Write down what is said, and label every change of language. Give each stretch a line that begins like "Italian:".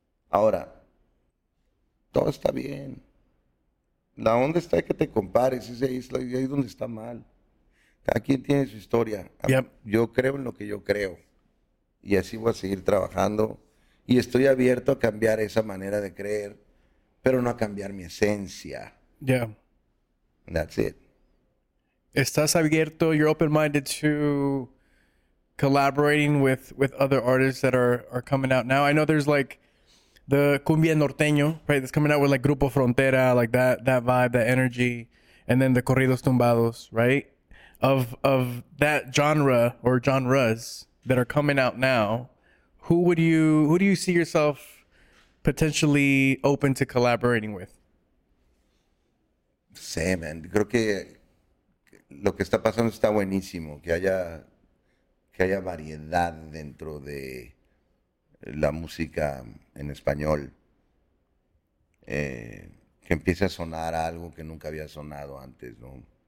Spanish: Ahora, todo está bien. La onda está que te compares, ahí es donde está mal. Cada quien tiene su historia.
English: Yep.
Spanish: Yo creo en lo que yo creo. Y así voy a seguir trabajando. Y estoy abierto a cambiar esa manera de creer, pero no a cambiar mi esencia.
English: Yeah. That's it.
Spanish: Estás abierto,
English: you're open-minded to collaborating with other artists that are coming out now. I know there's like the cumbia norteño, right? That's coming out with like Grupo Frontera, like that vibe, that energy, and then the corridos tumbados, right? Of that genre or genres that are coming out now, who do you see yourself potentially open to collaborating with?
Spanish: Sí, man. Creo que lo que está pasando está buenísimo, que haya variedad dentro de la música en español, que empiece a sonar algo que nunca había sonado antes, ¿no?